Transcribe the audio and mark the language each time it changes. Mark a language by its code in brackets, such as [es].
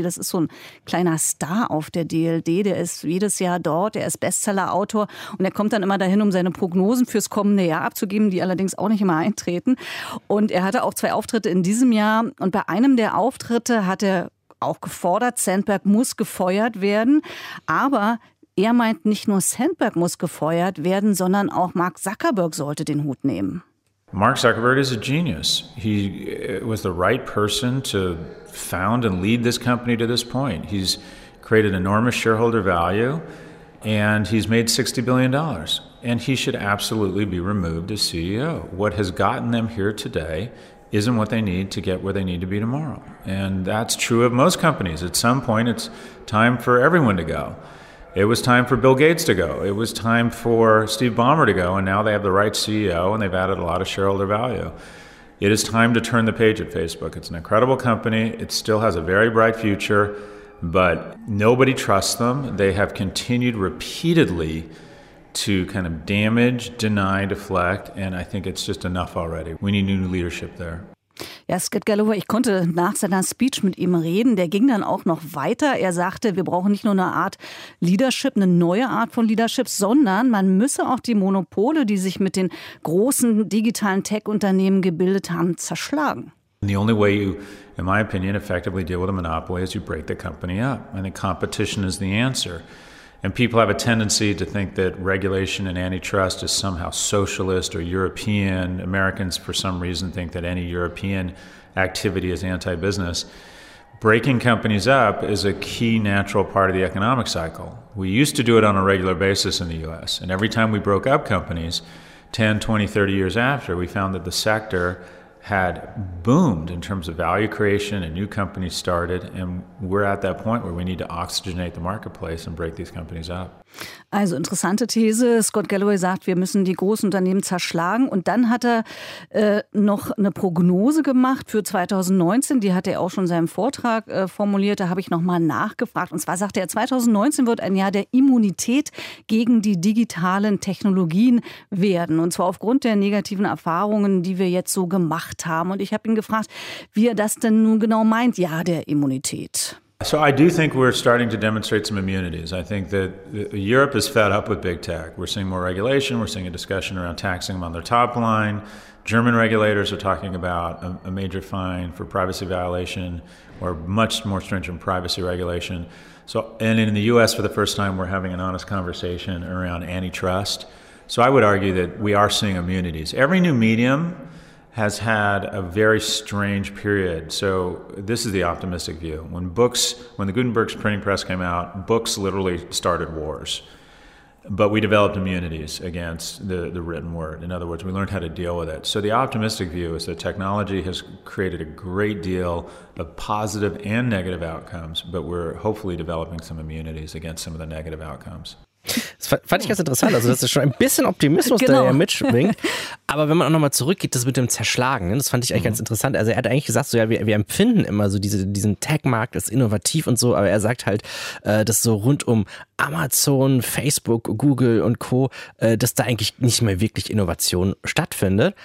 [de] Das ist so ein kleiner Star auf der DLD. Der ist jedes Jahr dort, er ist Bestseller-Autor und er kommt dann immer dahin, um seine Prognosen fürs kommende Jahr abzugeben, die allerdings auch nicht immer eintreten. Und er hatte auch zwei Auftritte in diesem Jahr und bei einem der Auftritte hat er auch gefordert, Sandberg muss gefeuert werden. Aber er meint, nicht nur Sandberg muss gefeuert werden, sondern auch Mark Zuckerberg sollte den Hut nehmen. [en] Mark Zuckerberg is a genius. He was the right person to found and lead this company to this point. He's created enormous shareholder value and he's made $60 billion. And he should absolutely be removed as CEO. What has gotten them here today isn't what they need to get where they need to be tomorrow. And that's true of most companies. At some point, it's time for everyone to go. It was time for Bill Gates to go. It was time for Steve Ballmer to go. And now they have the right CEO and they've added a lot of shareholder value. It is time to turn the page at Facebook. It's an incredible company. It still has a very bright future, but nobody trusts them. They have continued repeatedly to kind of damage, deny, deflect, and I think it's just enough already. We need new leadership there. [de] Ja, Scott Galloway, ich konnte nach seiner Speech mit ihm reden. Der ging dann auch noch weiter. Er sagte, wir brauchen nicht nur eine Art Leadership, eine neue Art von Leadership, sondern man müsse auch die Monopole, die sich mit den großen digitalen Tech-Unternehmen gebildet haben, zerschlagen. [en] The only way you, in my opinion, effectively deal with a monopoly is you break the company up. I think competition is the answer. And people have a tendency to think that regulation and antitrust is somehow socialist or European. Americans, for some reason, think that any European activity is anti-business. Breaking companies up is a key natural part of the economic cycle. We used to do it on a regular basis in the U.S., and every time we broke up companies, 10, 20, 30 years after, we found that the sector had boomed in terms of value creation and new companies started. And we're at that point where we need to oxygenate the marketplace and break these companies up. [de] Also interessante These. Scott Galloway sagt, wir müssen die großen Unternehmen zerschlagen. Und dann hat er noch eine Prognose gemacht für 2019. Die hat er auch schon in seinem Vortrag formuliert. Da habe ich nochmal nachgefragt. Und zwar sagt er, 2019 wird ein Jahr der Immunität gegen die digitalen Technologien werden. Und zwar aufgrund der negativen Erfahrungen, die wir jetzt so gemacht haben. Und ich habe ihn gefragt, wie er das denn nun genau meint, Jahr der Immunität. [en] So I do think we're starting to demonstrate some immunities. I think that Europe is fed up with big tech. We're seeing more regulation. We're seeing a discussion around taxing them on their top line. German regulators are talking about a major fine for privacy violation or much more stringent privacy regulation. So, and in the U.S., for the first time, we're having an honest conversation around antitrust. So I would argue that we are seeing immunities. Every new medium has had a very strange period. So this is the optimistic view. When the Gutenberg's printing press came out, books literally started wars. But we developed immunities against the written word. In other words, we learned how to deal with it. So the optimistic view is that technology has created a great deal of positive and negative outcomes, but we're hopefully developing some immunities against some of the negative outcomes. [de] Das fand ich ganz interessant. Also das ist schon ein bisschen Optimismus, genau, der ja mitschwingt. Aber wenn man auch nochmal zurückgeht, das mit dem Zerschlagen, das fand ich eigentlich ganz interessant. Also er hat eigentlich gesagt, so ja, wir empfinden immer so diesen Tech-Markt ist innovativ und so, aber er sagt halt, dass so rund um Amazon, Facebook, Google und Co., dass da eigentlich nicht mehr wirklich Innovation stattfindet.